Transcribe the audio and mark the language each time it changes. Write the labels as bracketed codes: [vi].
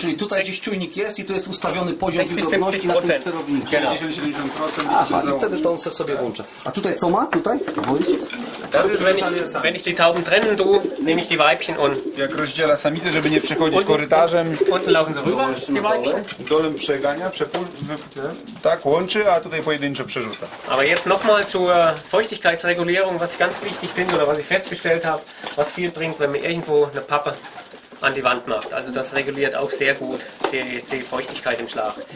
[pl] Czyli tutaj gdzieś czujnik jest i tu jest ustawiony poziom wilgotności na tym sterowniku. 60-70%. Aha, i wtedy to on se sobie włącza. A tutaj co ma tutaj? [de] Das ist, wenn ich die Tauben trennen tu, nehme ich die Weibchen und... [pl] Jak rozdziela samity, żeby nie przechodzić korytarzem. [de] Unten laufen sie rüber, die Weibchen. [pl] Dolem przegania, tak, łączy, a tutaj pojedynczo przerzuca. [de] Aber jetzt nochmal zur Feuchtigkeitsregulierung, was ich ganz wichtig finde oder was ich festgestellt habe, was viel bringt, wenn man irgendwo eine Pappe an die Wand macht. Also das reguliert auch sehr gut die Feuchtigkeit im Schlag.